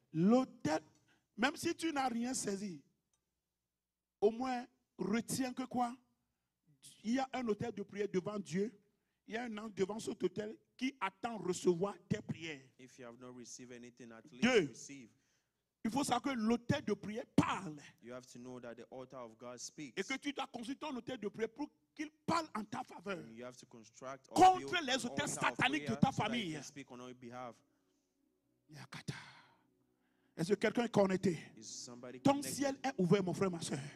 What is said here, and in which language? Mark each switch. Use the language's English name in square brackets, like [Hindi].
[French] L'autel, même si tu n'as rien saisi, au moins retiens que quoi? Il y a un autel de prière devant Dieu. Il y a un ange devant cet autel qui attend recevoir tes prières. [English] If you have not received anything, at least receive. [French] Il faut savoir que l'autel de prière parle. [English] You have to know that the altar of God speaks. [French] Et que tu dois consulter ton autel de prière pour qu'il parle en ta faveur. [English] You have to construct [French] contre les autels sataniques de ta famille. [English] So speak on your behalf. [French] Yakata. Est-ce que quelqu'un est connecté? Ton ciel est ouvert, mon frère, ma soeur.